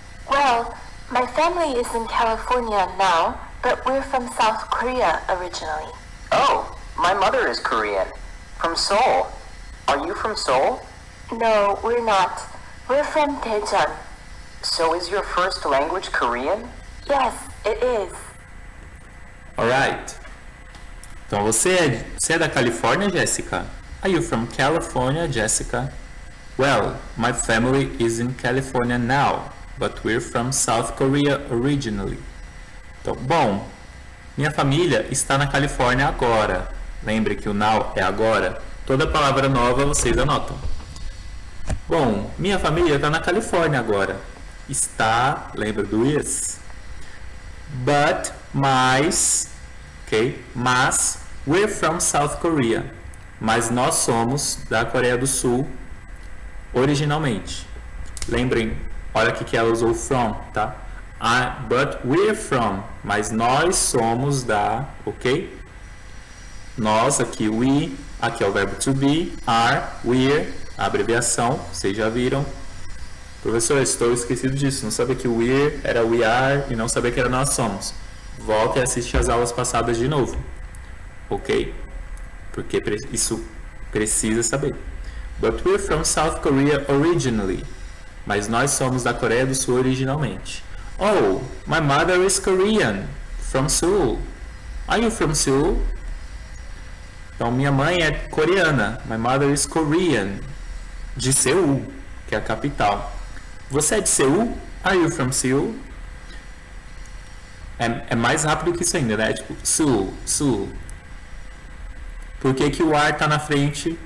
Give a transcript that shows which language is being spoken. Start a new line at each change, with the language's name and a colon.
English: Well, my family is in California now, but we're from South Korea originally. Oh, my mother is Korean, from Seoul. Are you from Seoul? No, we're not. We're from Daejeon. So is your first language Korean? Yes, it is. All right.
Portuguese: Então você é da Califórnia, Jessica?
English: Are you from California, Jessica? Well, my family is in California now, but we're from South Korea originally.
Portuguese: Então, bom, minha família está na Califórnia agora. Lembre que o now é agora. Toda palavra nova vocês anotam. Bom, minha família está na Califórnia agora. Está, lembra do is? But, mas, ok?
English: Mas, we're from South Korea.
Portuguese: Mas nós somos da Coreia do Sul. Originalmente. Lembrem, olha aqui que ela usou from, tá?
English: But we're from,
Portuguese: mas nós somos da, ok? Nós, aqui we, aqui é o verbo to be, are, we're, a abreviação, vocês já viram. Professor, estou esquecido disso, não sabia que we're era we are e não sabia que era nós somos. Volte e assiste as aulas passadas de novo, ok? Porque isso precisa saber.
English: But we're from South Korea originally.
Portuguese: Mas nós somos da Coreia do Sul originalmente.
English: Oh, my mother is Korean, from Seoul. Are you from Seoul?
Portuguese: Então, minha mãe é coreana.
English: My mother is Korean,
Portuguese: de Seul, que é a capital. Você é de Seul?
English: Are you from Seoul?
Portuguese: É mais rápido que isso ainda, né? Tipo, sul. Por que que o are está na frente?